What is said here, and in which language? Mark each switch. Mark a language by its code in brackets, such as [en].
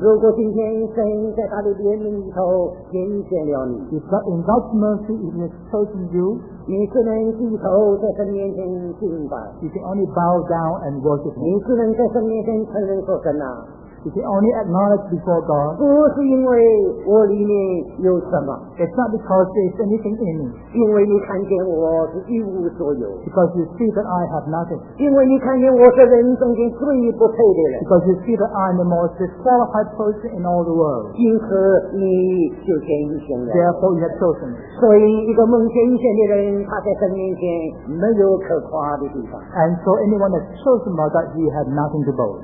[zh] 如果今天神在他的怜悯里头拣选了你, [en] If God in God's mercy he has chosen you, [zh] 你只能低头在神面前敬拜。 [en] You can only bow down and worship him. [zh] 你只能在神面前承认说神啊。 [en] You can only acknowledge before God. [zh] 不是因为我里面有什么。 [en] It's not because there's anything in me. [zh] 因为你看见我是一无所有。 [en] Because you see that I have nothing. [zh] 因为你看见我是人中间最不配的人。 [en] Because you see that I'm the most disqualified person in all the world. [zh] 因此你就拣选了。 [en] Therefore you have chosen me. [zh] 所以一个蒙拣选的人他在神面前没有可夸的地方。 [en] And so anyone that's chosen by God, he has nothing to boast.